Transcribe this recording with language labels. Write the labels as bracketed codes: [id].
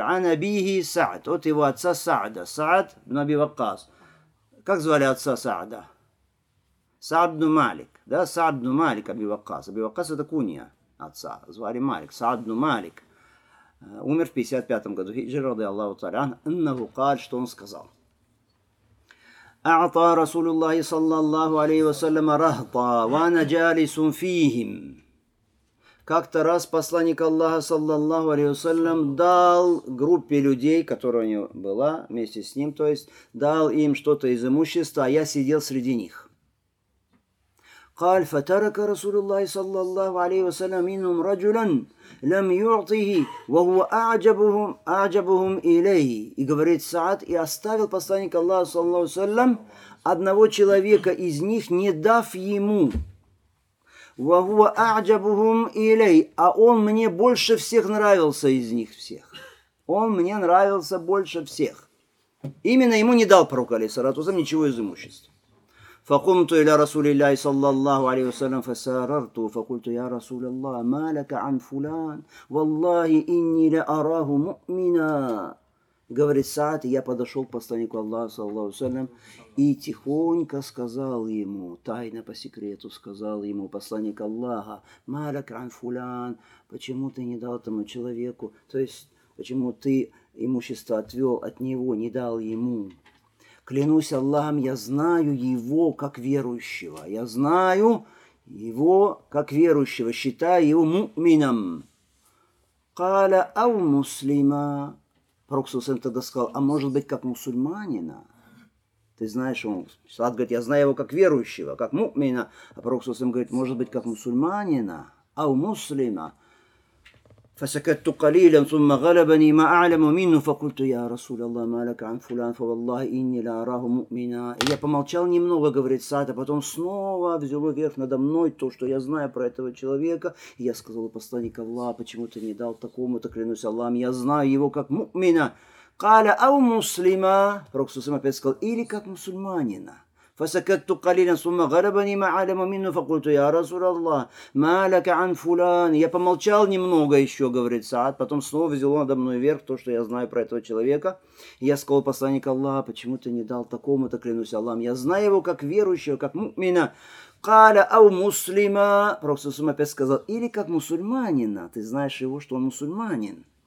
[ar] Ан абихи Саад. [ru] От его отца Саада. Саад ибн Аби Ваккас. Как звали отца Саада? Саад ибн Малик. Да, Саад ибн Малик Аби Ваккас. Аби Ваккас это кунья отца. Звали Малик. Саад ибн Малик. умер в 55 году хиджры, [ar] رضي الله تعالى عنه, иннаху قال, [ru] что он сказал. [ar] أعطى رسول الله صلى الله عليه وسلم رهطا وأنا جالس فيهم. [ru] Как-то раз посланник Аллаха, саллаллаху алейхи ва саллям, дал группе людей, которая у него была вместе с ним, то есть дал им что-то из имущества, а я сидел среди них. [ar] قال فترك رسول الله صلى الله عليه وسلم منهم رجلا لم يعطه وهو أعجبهم إليه. [ru] И говорит Саад, и оставил посланник Аллаха صلى الله عليه وسلم одного человека из них, не дав ему. [ar] وهو أعجبهم إليه. [ru] А он мне больше всех нравился из них всех. Он мне нравился больше всех. Именно ему не дал пророк алейхи саляту ва саллям ничего из имущества. [ar] فقمت إلى رسول الله صلى الله عليه وسلم فسررت فقلت يا رسول الله ما لك عن فلان والله إني لأراه مؤمنا. [ru] Говорит Саад, я подошел к посланнику Аллаха صلى الله عليه وسلم и тихонько сказал ему, тайно по секрету сказал ему посланник Аллаха, [ar] ما لك عن فلان, [ru] почему ты не дал этому человеку, то есть почему ты имущество отвел от него, не дал ему. Клянусь Аллахом, я знаю его как верующего. Я знаю его как верующего, считаю его мумином. [ar] Каля ау муслима. [ru] Пророк Сусен тогда сказал, а может быть, как мусульманина? Ты знаешь, он Саад говорит, я знаю его как верующего, как муминина. А пророк Сусен говорит, может быть, как мусульманина? [ar] Ау муслима. فسكت قليلا ثم غلبني ما اعلم منه فقلت يا رسول الله ما لك عن فلان فوالله اني لا اراه مؤمنا. [ru] Я помолчал немного, говорит Саад, а потом снова взяло верх надо мной то, что я знаю про этого человека. И я сказал посланник Аллаха, почему ты не дал такому, так клянусь Аллахом, я знаю его как мумина. [ar] قال او مسلما. [ru] Пророк Сусама опять сказал, или как мусульманина. [ar] فسكت قليلا ثم غلبني ما علم منه فقلت يا رسول الله ما لك عن فلان. [ru] Я помолчал немного еще, говорит Саад, потом снова взял он надо мной вверх то, что я знаю про этого человека. Я сказал посланник Аллаха, почему ты не дал такому, так клянусь Аллахом, я знаю его как верующего, как мумина. [ar] قال او مسلما. [ru] Пророк Сусама опять сказал, или как мусульманина, ты знаешь его, что он мусульманин.